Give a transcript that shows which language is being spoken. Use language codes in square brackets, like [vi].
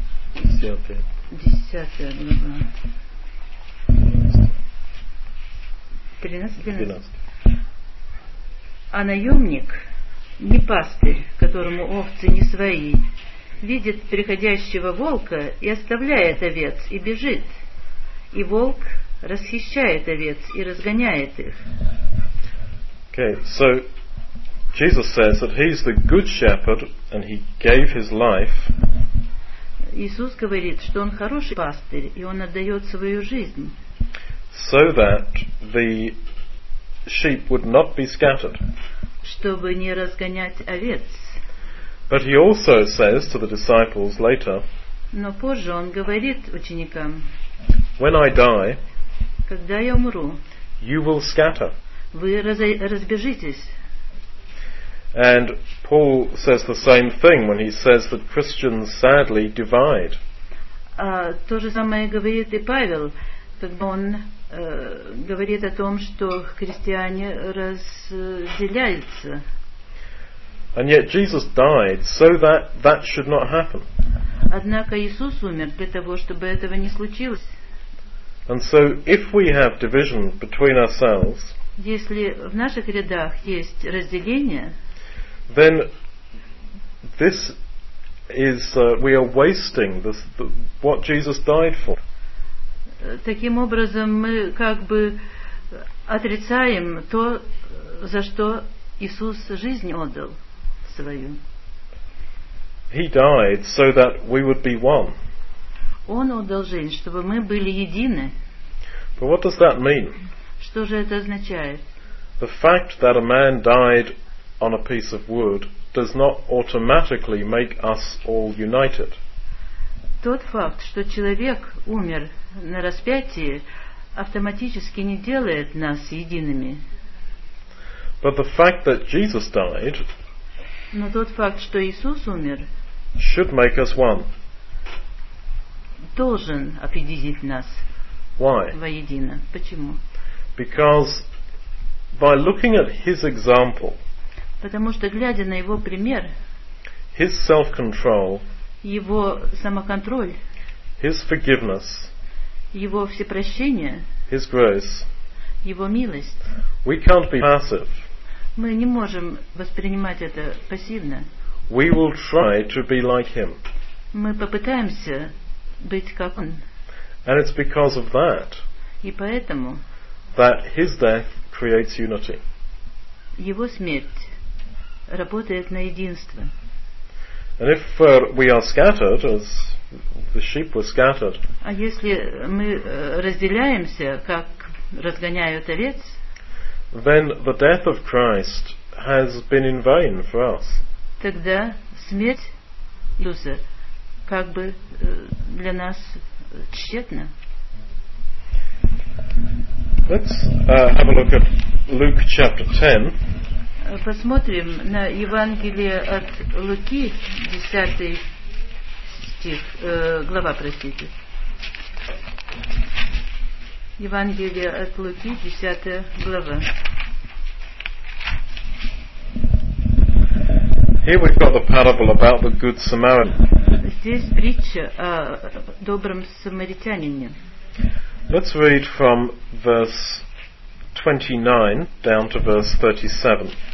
[ru] 10 глава, 13. А наемник, не пастырь, которому овцы не свои, видит приходящего волка и оставляет овец и бежит, и волк расхищает овец и разгоняет их. [en] Okay, so Jesus says that he's the good shepherd and he gave his life. [ru] Иисус говорит, что он хороший пастырь и он отдает свою жизнь. [en] So that the sheep would not be scattered. [ru] Чтобы не разгонять овец. [en] But he also says to the disciples later. [ru] Но позже он говорит ученикам. [en] When I die. [ru] Когда я умру, [en] you will scatter. [ru] Вы разбежитесь. [en] And Paul says the same thing when he says that Christians sadly divide. [ru] То же самое говорит и Павел, когда он говорит о том, что христиане разделяются. [en] And yet Jesus died so that that should not happen. [ru] Однако Иисус умер для того, чтобы этого не случилось. [en] And so if we have division between ourselves, [ru] если в наших рядах есть разделение, [en] then this is we are wasting this, what Jesus died for. [ru] Таким образом мы как бы отрицаем то, за что Иисус жизнь отдал свою. [en] He died so that we would be one. [ru] Он отдал жизнь, чтобы мы были едины. [en] But what does that mean? [ru] Что же это означает? [en] The fact that a man died on a piece of wood does not automatically make us all united. [ru] Тот факт, что человек умер на распятии, автоматически не делает нас едиными. [en] But the fact that Jesus died, [ru] но тот факт, что Иисус умер, [en] should make us one. [ru] Должен объединить нас. [en] Why? [ru] Воедино. Почему? [en] Because by looking at his example, [ru] потому что глядя на его пример, [en] his self-control, [ru] его самоконтроль, [en] his forgiveness, [ru] его всепрощение, [en] his grace, [ru] его милость, [en] we can't be passive. [ru] Мы не можем воспринимать это пассивно. [en] We will try to be like him. [ru] Мы попытаемся быть как он. [en] And it's because of that. [ru] И поэтому [en] that his death creates unity. [ru] Его смерть работает на единство. [en] And if we are scattered, as the sheep were scattered, [ru] а если мы разделяемся, как разгоняют овец, [en] then the death of Christ has been in vain for us. [ru] Тогда смерть Иисуса как бы для нас тщетна. [en] Let's have a look at Luke chapter 10. [ru] Посмотрим на Евангелие от Луки, 10 стих, глава, простите. Евангелие от Луки, 10 глава. [en] Here we've got the parable about the good Samaritan. [ru] Здесь притча о добром самаритянине. [en] Let's read from verse 29 down to verse 37.